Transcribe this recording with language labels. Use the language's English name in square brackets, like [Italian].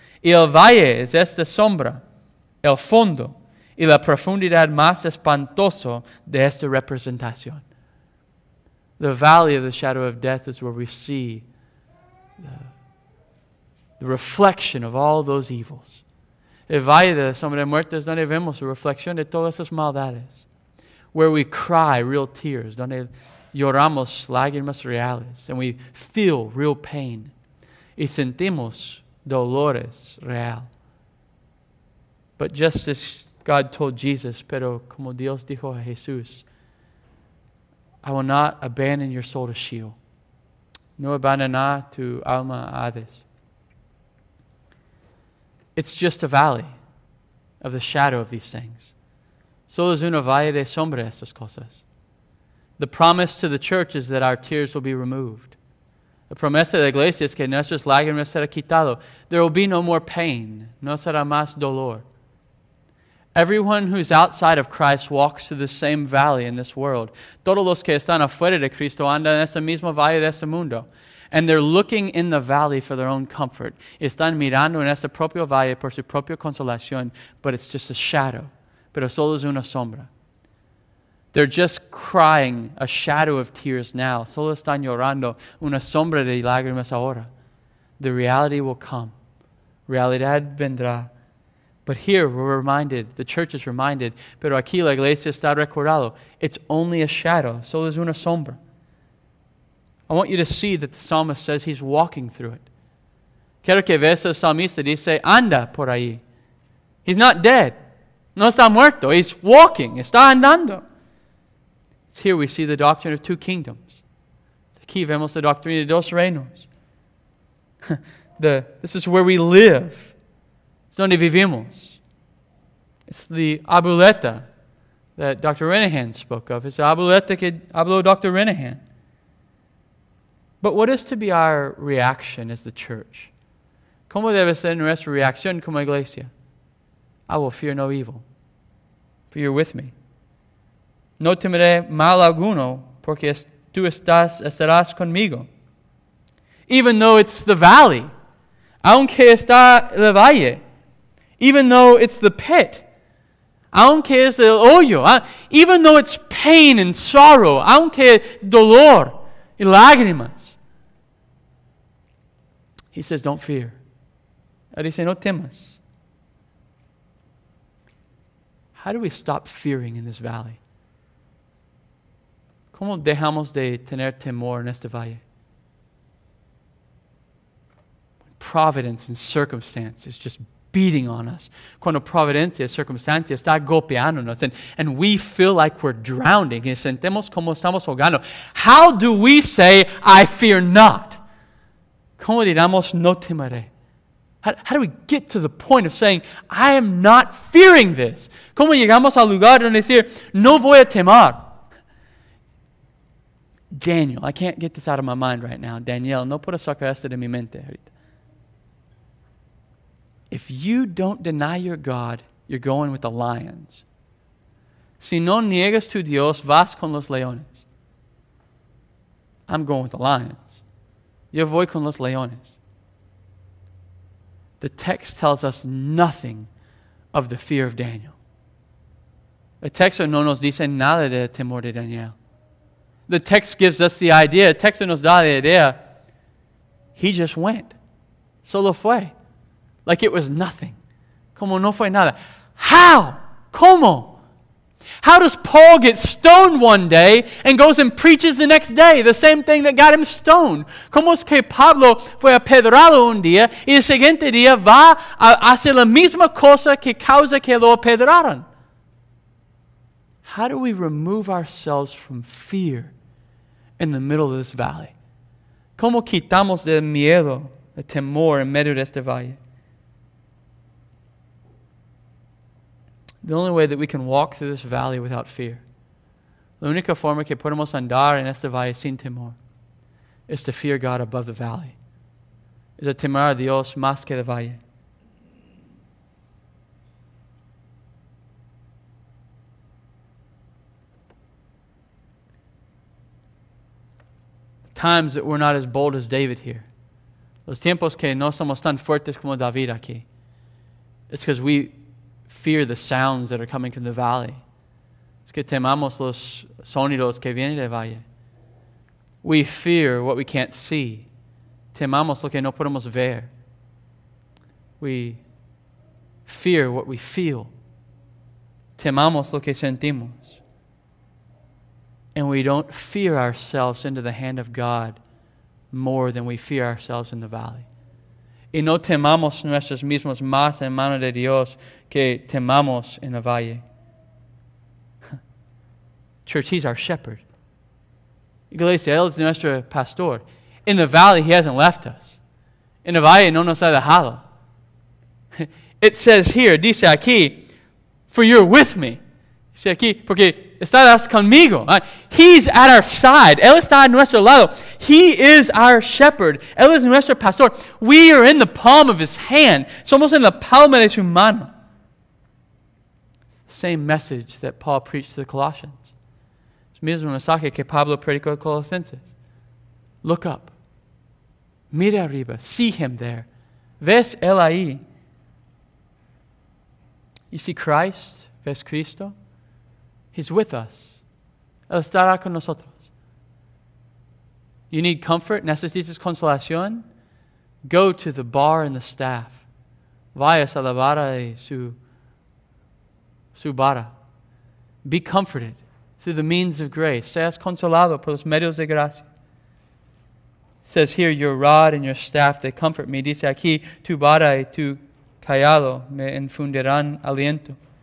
[Spanish] Y el valle es esta sombra, el fondo, y la profundidad más espantoso de esta representación. [English] The valley of the shadow of death is where we see the reflection of all those evils. [Spanish] El valle de sombra de muerte es donde vemos la reflexión de todas esas maldades. [English] Where we cry real tears, [Spanish] donde lloramos lágrimas reales, [English] and we feel real pain, [Spanish] y sentimos dolores real. [English] But just as God told Jesus, [Spanish] pero como Dios dijo a Jesús, [English] I will not abandon your soul to Sheol. [Spanish] No abandonar tu alma a Hades. [English] It's just a valley of the shadow of these things. [Spanish] Solo es una valle de sombra estas cosas. [English] The promise to the church is that our tears will be removed. [Spanish] La promesa de la iglesia es que nuestras lágrimas serán quitadas. [English] There will be no more pain. [Spanish] No será más dolor. [English] Everyone who's outside of Christ walks through the same valley in this world. [Spanish] Todos los que están afuera de Cristo andan en este mismo valle de este mundo. [English] And they're looking in the valley for their own comfort. [Spanish] Están mirando en este propio valle por su propia consolación, [English] but it's just a shadow. [Spanish] Pero solo es una sombra. [English] They're just crying a shadow of tears now. [Spanish] Solo están llorando una sombra de lágrimas ahora. [English] The reality will come. [Spanish] Realidad vendrá. [English] But here we're reminded, the church is reminded, [Spanish] pero aquí la iglesia está recordado. [English] It's only a shadow. [Spanish] Solo es una sombra. [English] I want you to see that the psalmist says he's walking through it. [Spanish] Quiero que veas el salmista dice, anda por ahí. [English] He's not dead. [Spanish] No está muerto. [English] He's walking. [Spanish] Está andando. [English] It's here we see the doctrine of two kingdoms. [Spanish] Aquí vemos la doctrina de dos reinos. [English] This is where we live. It's [Spanish] donde vivimos. [English] It's the abuleta that Dr. Renahan spoke of. It's the abuleta [Spanish] que habló [English] Dr. Renahan. But what is to be our reaction as the church? [Spanish] ¿Cómo debe ser nuestra reacción como iglesia? [English] I will fear no evil, for you're with me. [Spanish] No temeré mal alguno, porque tú estarás conmigo. [English] Even though it's the valley, [Spanish] aunque está el valle, [English] even though it's the pit, [Spanish] aunque es el hoyo, [English] even though it's pain and sorrow, [Spanish] aunque es dolor y lágrimas. [English] He says, don't fear. [Spanish] Él dice, no temas. [English] How do we stop fearing in this valley? [Spanish] ¿Cómo dejamos de tener temor en este valle? [English] Providence and circumstance is just beating on us. [Spanish] Cuando providencia y circunstancia está golpeándonos [English] and we feel like we're drowning [Spanish] y sentemos como estamos ahogando. [English] How do we say, I fear not? [Spanish] ¿Cómo diramos no temeré? [English] How do we get to the point of saying, I am not fearing this? [Spanish] ¿Cómo llegamos al lugar donde decir, no voy a temer? [English] Daniel, I can't get this out of my mind right now. [Spanish] Daniel, no puedo sacar esto de mi mente ahorita. [English] If you don't deny your God, you're going with the lions. [Spanish] Si no niegas tu Dios, vas con los leones. [English] I'm going with the lions. Yo voy con los leones. The text tells us nothing of the fear of Daniel. [Spanish] El texto no nos dice nada del temor de Daniel. [English] The text gives us the idea. [Spanish] El texto nos da la idea. [English] He just went. [Spanish] Solo fue. [English] Like it was nothing. [Spanish] Como no fue nada. [English] How? [Spanish] Como? [English] How does Paul get stoned one day and goes and preaches the next day? The same thing that got him stoned. [Spanish] Como es que Pablo fue apedrado un día y el siguiente día va a hacer la misma cosa que causa que lo apedraron? [English] How do we remove ourselves from fear in the middle of this valley? [Spanish] Como quitamos el miedo, el temor en medio de este valle? [English] The only way that we can walk through this valley without fear, [Spanish] la única forma que podemos andar en este valle sin temor, [English] is to fear God above the valley. [Spanish] Es a temor a Dios más que el valle. The times that we're not as bold as David here, los tiempos que no somos tan fuertes como David aquí, it's because we fear the sounds that are coming from the valley. Es que temamos los sonidos que vienen del valle. [English] We fear what we can't see. [Spanish] Temamos lo que no podemos ver. [English] We fear what we feel. [Spanish] Temamos lo que sentimos. [English] And we don't fear ourselves into the hand of God more than we fear ourselves in the valley. [Spanish] Y no temamos nuestros mismos más en mano de Dios que temamos en el valle. [English] Church, he's our shepherd. [Spanish] Iglesia, él es nuestro pastor. [English] In the valley, he hasn't left us. In the valle, [Spanish] no nos ha dejado. [English] It says here, [Spanish] dice aquí, [English] for you're with me. [Spanish] Dice aquí, porque estarás conmigo. [English] He's at our side. [Spanish] Él está a nuestro lado. [English] He is our shepherd. [Spanish] Él es nuestro pastor. [English] We are in the palm of his hand. [Spanish] Somos en la palma de su mano. [English] It's the same message that Paul preached to the Colossians. [Spanish] Es el mismo mensaje que Pablo predicó a Colosenses. [English] Look up. [Spanish] Mira arriba. [English] See him there. [Spanish] Ves él ahí. [English] You see Christ? [Spanish] Ves Cristo? [English] He's with us. [Spanish] Él estará con nosotros. [English] You need comfort? [Spanish] Necesitas consolación? [English] Go to the bar and the staff. [Spanish] Vayas a la barra y su barra. [English] Be comforted through the means of grace. [Spanish] Seas consolado por los medios de gracia. [English] Says here, your rod and your staff, they comfort me. [Spanish] Dice aquí, tu barra y tu callado me infundirán aliento.